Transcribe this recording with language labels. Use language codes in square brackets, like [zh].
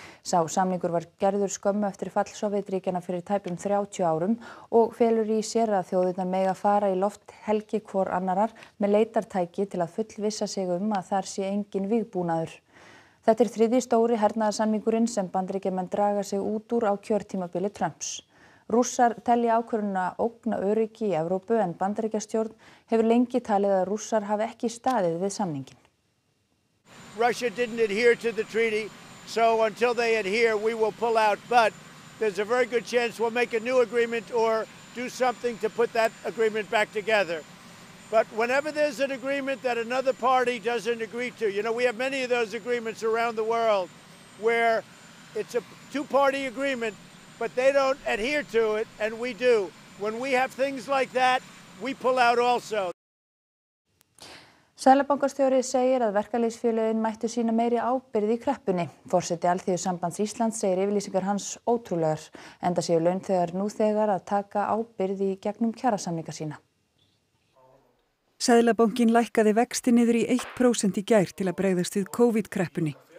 [is] Sá samningur var gerður skömmu eftir fall Sovétríkjanna fyrir tæpum 30 árum og felur í sér að þjóðirnar mega fara í lofthelgi hvor annarar með leitartæki til að fullvissa sig að þar sé engin vígbúnaður. Þetta þriðji stóri hernaðarsamningurinn sem Bandaríkjamenn draga sig út úr á kjörtímabili Trumps. Rússar telja ákvörðuna ógna öryggi í Evrópu en Bandaríkjastjórn hefur lengi talið að Rússar hafi ekki staðið við samninginn. [en] Russia didn't adhere to the treaty, so until they adhere we will pull out, but there's a very good chance we'll make a new agreement or do something to put that agreement back together. But whenever there's an agreement that another party doesn't agree to, you know, we have many of those agreements around the world where it's a two-party agreement, but they don't adhere to it, and we do. When we have things like that, we pull out also. [is] Seðlabankastjóri segir að verkalýðsfélögin mættu sína meiri ábyrgð í kreppunni. Forseti Alþýðusambands Íslands segir yfirlýsingar hans ótrúlegar, enda séu launþegar nú þegar að taka ábyrgð í gegnum kjarasamninga sína. Seðlabankinn lækkaði vexti niður í 1% í gær til að bregðast við COVID-kreppunni.